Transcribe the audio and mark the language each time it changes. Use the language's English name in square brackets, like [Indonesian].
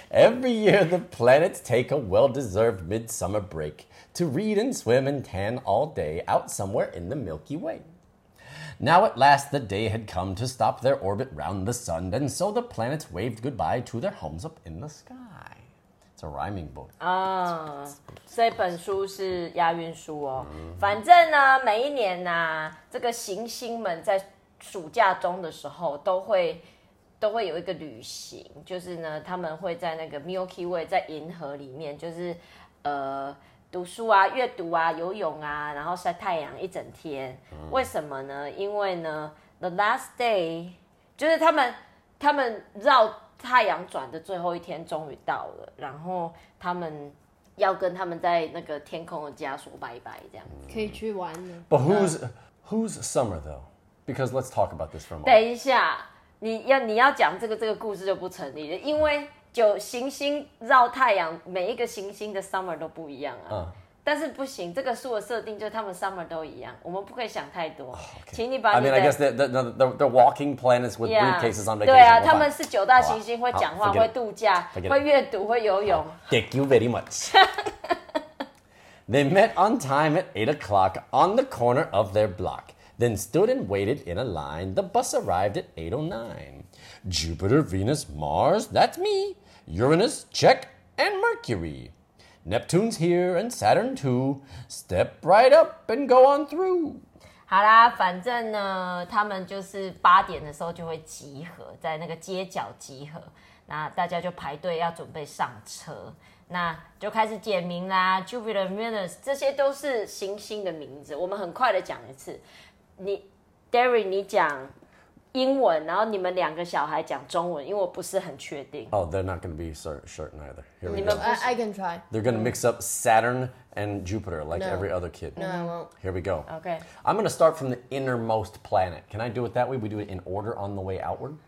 [English] Every year the planets take a well-deserved midsummer break to read and swim and tan all day out somewhere in the Milky Way. Now at last the day had come to stop their orbit round the sun, and so the planets waved goodbye to their homes up in the sky. It's a rhyming book. [Chinese] 这本书是押韵书哦。Mm-hmm. 反正呢，每一年呢、啊，这个行星们在暑假中的时候都会有一个旅行，就是呢，他们会在那个 Milky Way 在银河里面，就是读书啊，阅读啊，游泳啊，然后晒太阳一整天。嗯、为什么呢？因为呢 ， [English] the last day， [Chinese] 就是他们绕太阳转的最后一天终于到了，然后他们要跟他们在那个天空的家说拜拜，这样可以去玩了。 [English] But who's summer though? Because let's talk about this for a moment. [Chinese] 等一下，你要讲这个故事就不成立了，因为。就行星绕太阳，每一个行星的 summer 都不一样啊。但是不行，这个书的设定就是他们 summer 都一样，我们不可以想太多。 [English] Oh, okay. [Chinese] 请你把你的 [English] I mean, I guess the walking planets with briefcases on vacation. [Chinese] 对啊，他们是九大行星，会讲话，会度假，会阅读，会游泳。 [English] Thank you very much. They met on time at 8 o'clock on the corner of their block, then stood and waited in a line. The bus arrived at 8:09. Jupiter, Venus, Mars, that's me. Uranus, check, and Mercury. Neptune's here, and Saturn too. Step right up and go on through. [Chinese] 好啦，反正呢，他们就是八点的时候就会集合，在那个街角集合。那大家就排队要准备上车，那就开始点名啦。 Jupiter, Venus, 这些都是行星的名字。我们很快的讲一次。你 ，Derry， 你讲。英文，然后你们两个小孩讲中文，因为我不是很确定。 [English] Oh, they're not going to be certain either. Here we go. I can try. They're going to mix up Saturn and Jupiter like every other kid. No, I won't. Here we go. Okay. I'm going to start from the innermost planet. Can I do it that way? We do it in order on the way outward.